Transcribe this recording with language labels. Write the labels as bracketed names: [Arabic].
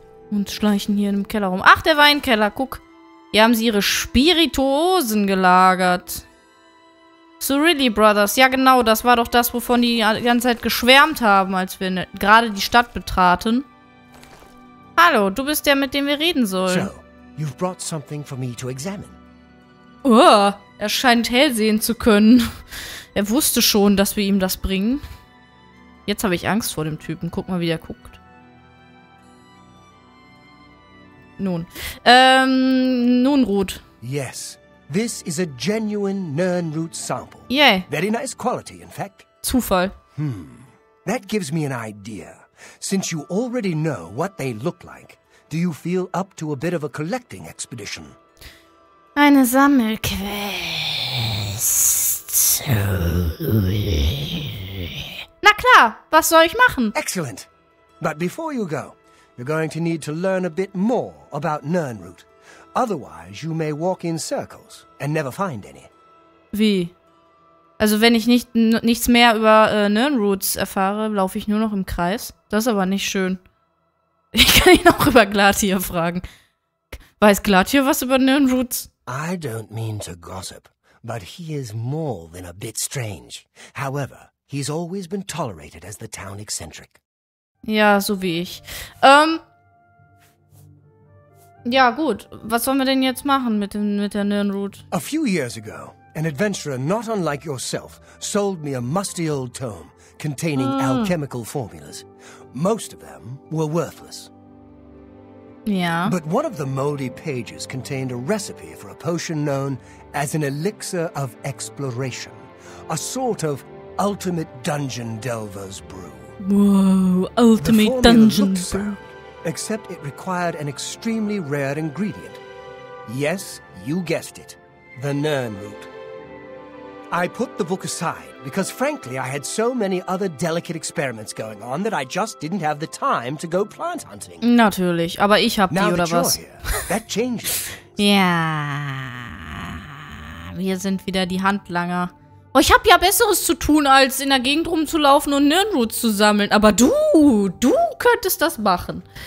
[German] Und schleichen hier im Keller rum. Ach, der Weinkeller, guck. Hier haben sie ihre Spirituosen gelagert. Cyrilli Brothers. Ja, genau, das war doch das, wovon die ganze Zeit geschwärmt haben, als wir gerade die Stadt betraten. Hallo, du bist der, mit dem wir reden sollen. [English] So, you've brought something for me to examine. [German] Oh, er scheint hell sehen zu können. Er wusste schon, dass wir ihm das bringen. Jetzt habe ich Angst vor dem Typen. Guck mal, wie der guckt. Nun. Nirnroth. [English] Yes. This is a genuine Nirnroth sample. Yay. Very nice quality, in fact. [German] Zufall. [English] Hmm. That gives me an idea. Since you already know what they look like, do you feel up to a bit of a collecting expedition? [German] Eine Sammelquest. Na klar, was soll ich machen? [English] Excellent. But before you go, you're going to need to learn a bit more about Nirnroth. Otherwise, you may walk in circles and never find any. [German] Wie? Also, wenn ich nichts mehr über Nirnroths erfahre, laufe ich nur noch im Kreis? Das ist aber nicht schön. Ich kann ihn auch über Glathir fragen. Weiß Glathir was über Nirnroths? [English] I don't mean to gossip, but he is more than a bit strange. However, he's always been tolerated as the town eccentric. [German] Ja, so wie ich. Ja, gut. Was sollen wir denn jetzt machen mit der Nirnroth? [English] A few years ago, An adventurer not unlike yourself sold me a musty old tome containing alchemical formulas. Most of them were worthless. Yeah. But one of the moldy pages contained a recipe for a potion known as an elixir of exploration, a sort of ultimate dungeon delver's brew. Whoa, ultimate dungeon brew. Except it required an extremely rare ingredient. Yes, you guessed it, the Nern root. I put the book aside because, frankly, I had so many other delicate experiments going on that I just didn't have the time to go plant hunting. [German] Natürlich, aber ich hab [English] now [German] die, oder was? [English] Here, that changes. [German] Ja, wir sind wieder die Handlanger. Oh, ich hab ja Besseres zu tun, als in der Gegend rumzulaufen und Nirnroots zu sammeln. Aber du könntest das machen.